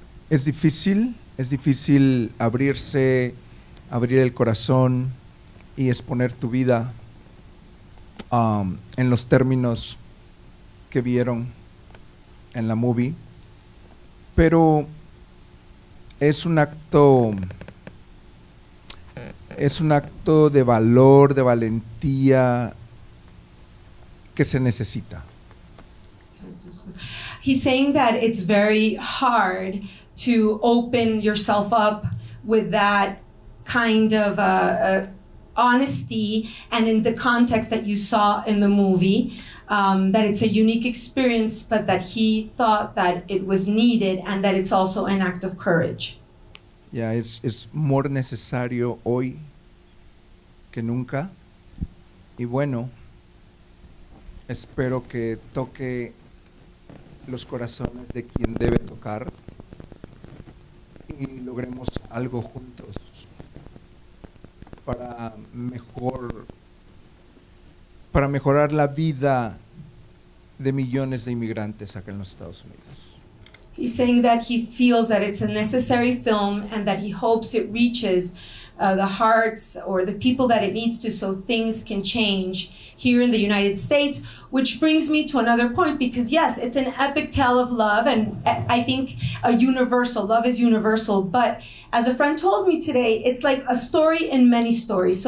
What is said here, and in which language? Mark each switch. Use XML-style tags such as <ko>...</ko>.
<es>Es difícil abrirse, abrir el corazón y exponer tu vida en los términos que vieron en la movie. Pero es un acto de valor, de valentía que se necesita.</es> <en>He's saying that it's very hard to open yourself up with that kind of honesty and in the context that you saw in the movie, that it's a unique experience, but that he thought that it was needed and that it's also an act of courage.</en> <es>Yeah, it's more necesario hoy que nunca. Y bueno, espero que toque los corazones de quien debe tocar y logremos algo juntos para mejor, para mejorar la vida de millones de inmigrantes acá en los Estados Unidos.</es> <en>He's saying that he feels that it's a necessary film and that he hopes it reaches the hearts or the people that it needs to so things can change here in the United States, which brings me to another point, because yes, it's an epic tale of love and I think a universal, love is universal, but as a friend told me today, it's like a story in many stories.</en>